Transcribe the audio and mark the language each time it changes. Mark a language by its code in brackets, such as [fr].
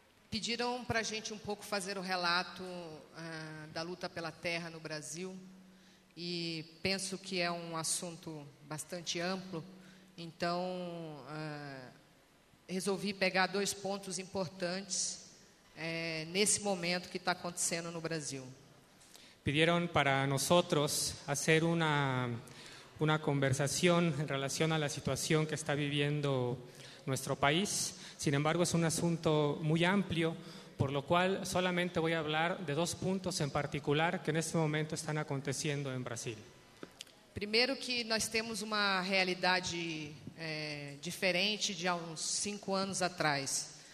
[pt] Pediram para a gente um pouco fazer o relato da luta pela terra no Brasil e penso que é um assunto bastante amplo, então resolvi pegar 2 pontos importantes nesse momento que está acontecendo no Brasil. Pediram para nós fazer uma conversação em relação à situação que está vivendo nosso país. [es] Sin embargo, es un asunto muy amplio, por lo cual solamente voy a hablar de 2 puntos en particular que en este momento están aconteciendo en Brasil. [pt] Primero que nós temos uma realidade diferente de há uns 5 anos atrás.